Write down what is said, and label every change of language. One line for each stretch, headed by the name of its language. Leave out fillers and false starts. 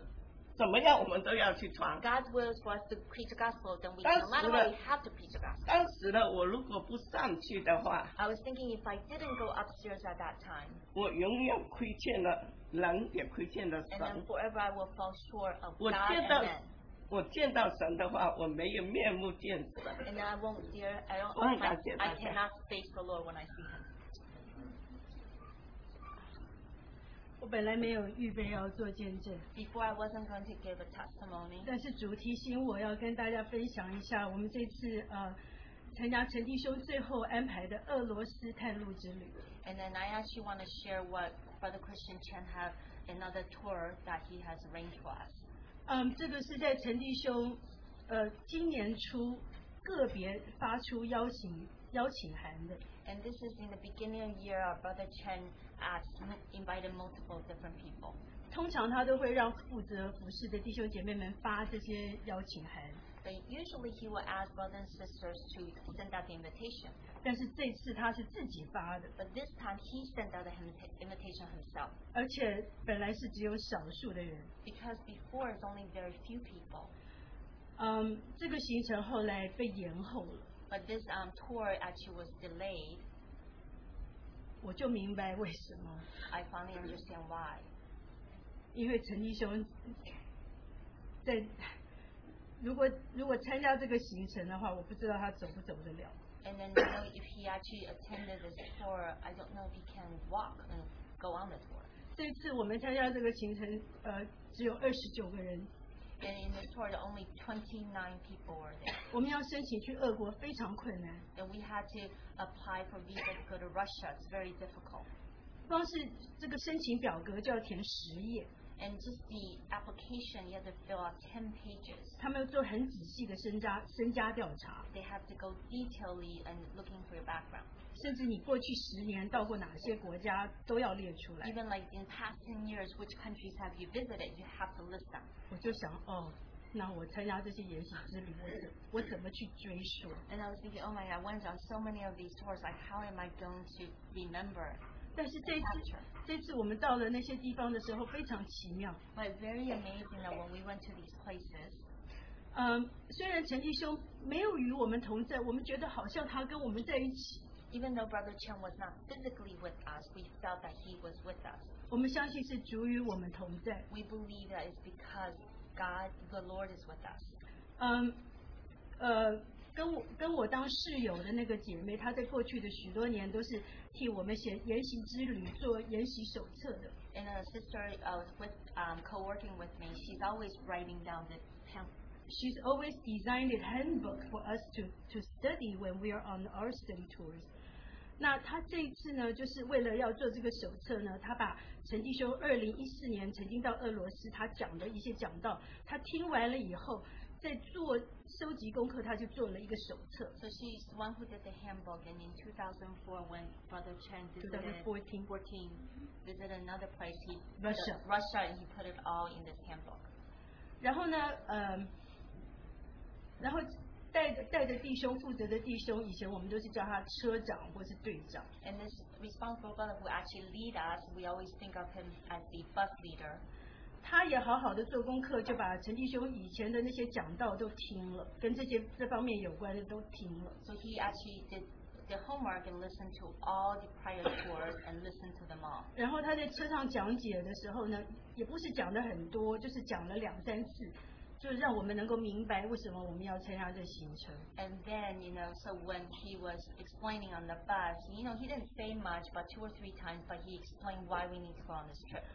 Chinese: 神的旨意要我们去传，我们再怎么样，我们都要去传。
English: God's will for us to preach the gospel, then we no matter what, we have to preach the gospel.
Chinese: 当时呢，我如果不上去的话，
English: I was thinking if I didn't go upstairs at that time,
Chinese: 我永远亏欠了人，也亏欠了神。
English: And then forever I will fall short of God.
Chinese: 我见到神的话，我没有面目见神。
English: And I won't dare. I don't. I cannot face the Lord when I see Him.
Chinese: 我本来没有预备要做见证。
English: Before I wasn't going to give a testimony.
Chinese: 但是主题性我要跟大家分享一下，我们这次参加陈弟兄最后安排的俄罗斯探路之旅。
English: And then I actually want to share what Brother Christian Chen have another tour that he has arranged for us.
Chinese: 这个是在陈弟兄今年初个别发出邀请函的。
English: And this is in the beginning of the year, our Brother Chen invited multiple different people.
Chinese: 通常他都会让负责服事的弟兄姐妹们发这些邀请函。
English: But usually he will ask brothers and sisters to send out the invitation.
Chinese: 但是这次他是自己发的。
English: But this time he sent out the invitation himself.
Chinese: 而且本来是只有少数的人。
English: Because before it's only very few people.
Chinese: 这个行程后来被延后了。
English: But this tour actually was delayed.
Chinese: 我就明白为什么。
English: I finally understand why.
Chinese: 因为陈弟兄在。如果参加这个行程的话，我不知道他走不走得了。
English: And then, you know, if he actually attended this tour, I don't know if he can walk and go on the tour.
Chinese: 这次我们参加这个行程，只有二十九个人。
English: And in the tour, only 29 people were there.
Chinese: 我们要申请去俄国非常困难。
English: And we had to apply for visa to go to Russia. It's very difficult.
Chinese: 光是这个申请表格就要填十页。
English: And just the application, you have to fill out 10 pages.
Chinese: 他们做很仔细的身家调查。
English: They have to go detailedly and looking for your background.
Chinese: 甚至你过去十年到过哪些国家都要列出来。
English: Even like in past 10 years, which countries have you visited, you have to list them.
Chinese: 我就想，哦，那我参加这些研习之旅，我怎么去追溯？
English: And I was thinking, oh my God, I went on so many of these tours, like how am I going to remember?
Chinese: 但是这次我们到了那些地方的时候非常奇妙。
English: But very amazing that when we went to these places,
Chinese: 虽然陈弟兄没有与我们同在，我们觉得好像他跟我们在一起。
English: Even though Brother Chen was not physically with us, we felt that he was with us.
Chinese: 我们相信是主与我们同在。
English: We believe that it's because God, the Lord, is with us.
Chinese: 跟我当室友的那个姐妹，她在过去的许多年都是替我们写研习之旅做研习手册的。
English: And a sister with co-working with me, she's always writing down the pamphlet. She's always designed a handbook for us to study when we are on our study tours.
Chinese: 那她这一次呢，就是为了要做这个手册呢，她把陈弟兄2014年曾经到俄罗斯他讲的一些讲道，她听完了以后。在做收集功课，他就做了一个手册。
English: So she's the one who did the handbook, and in 2004, when Brother Chen visited another place, Russia, and he put it all in this handbook.
Chinese: 然后呢，然后带着弟兄负责的弟兄，以前我们都是叫他车长或是队长。
English: And this responsible brother who actually lead us, we always think of him as the bus leader.
Chinese: 他也好好的做功课，就把陈弟兄以前的那些讲道都听了，跟这方面有关的都听了。
English: So he actually did the homework and listened to all the prior tours and listened to them all.
Chinese: 然后他在车上讲解的时候呢，也不是讲的很多，就是讲了两三次，就让我们能够明白为什么我们要参加这行程。
English: And then, you know, so when he was explaining on the bus, you know, he didn't say much, but two or three times, but he explained why we need to go on this trip.